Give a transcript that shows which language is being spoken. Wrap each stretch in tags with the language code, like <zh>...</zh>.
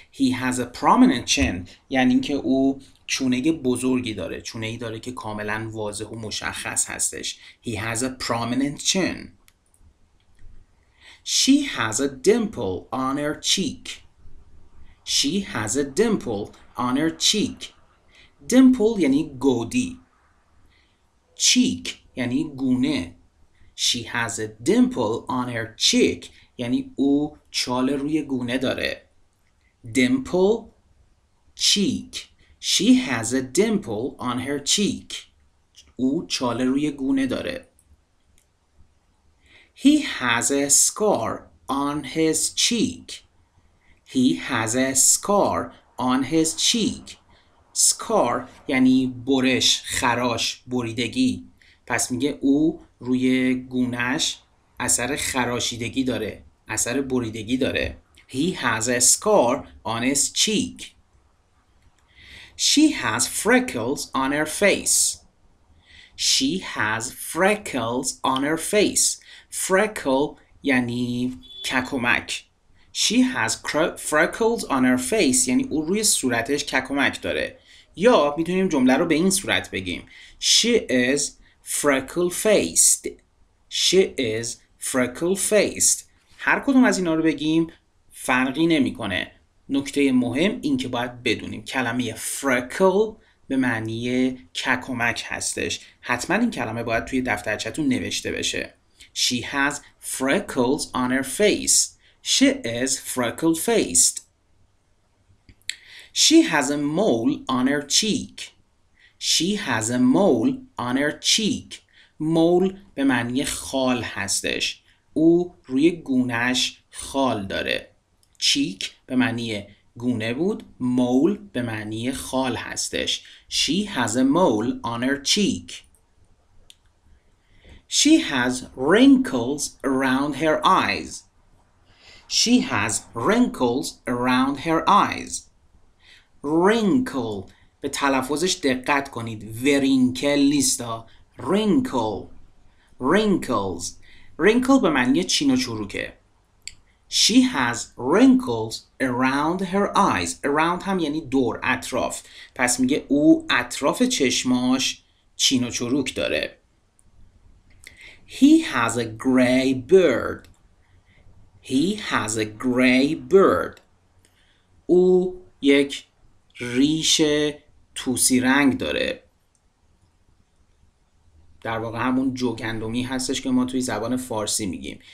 <en>He has a prominent chin،</en> <fa>یعنی اینکه او چونه بزرگی داره، چونه ای داره که کاملا واضح و مشخص هستش.</fa> <en>He has a prominent chin. She has a dimple on her cheek. She has a dimple on her cheek.</en> <fa>Dimple یعنی گودی. Cheek یعنی گونه.</fa> <en>She has a dimple on her cheek.</en> <fa>یعنی او چاله روی گونه داره. Dimple, cheek.</fa> <en>She has a dimple on her cheek.</en> <fa>او چاله روی گونه داره.</fa> <en>He has a scar on his cheek. He has a scar on his cheek.</en> <fa>Scar یعنی برش، خراش، بریدگی. پس میگه او روی گونهش اثر خراشیدگی داره، اثر بریدگی داره.</fa> <en>He has a scar on his cheek. She has freckles on her face. She has freckles on her face.</en> <fa>Freckle یعنی ککومک.</fa> <en>She has freckles on her face</en> <fa>یعنی او روی صورتش ککومک داره. یا میتونیم جمله رو به این صورت بگیم.</fa> <en>She is freckle-faced. She is freckle-faced.</en> <fa>هر کدوم از اینا رو بگیم فرقی نمی کنه. نکته مهم این که باید بدونیم کلمه freckle به معنی ککومک هستش. حتما این کلمه باید توی دفترچه‌تون نوشته بشه.</fa> <en>She has freckles on her face. She is freckle-faced. She has a mole on her cheek. She has a mole on her cheek.</en> <fa>Mole به معنی خال هستش. او روی گونهش خال داره. Cheek به معنی گونه بود. Mole به معنی خال هستش.</fa> <en>She has a mole on her cheek. She has wrinkles around her eyes. She has wrinkles around her eyes.</en> <fa>Wrinkle. به تلفظش دقت کنید. ورینکل نیستا. Wrinkle. Wrinkles. Wrinkle به معنی چین و چروکه.</fa> <en>She has wrinkles around her eyes.</en> <fa>Around هم یعنی دور، اطراف. پس میگه او اطراف چشماش چین و چروک داره.</fa> <en>He has a gray beard. He has a gray beard.</en> <fa>او یک ریش توسی رنگ داره، در واقع همون جوگندمی هستش که ما توی زبان فارسی میگیم.</fa>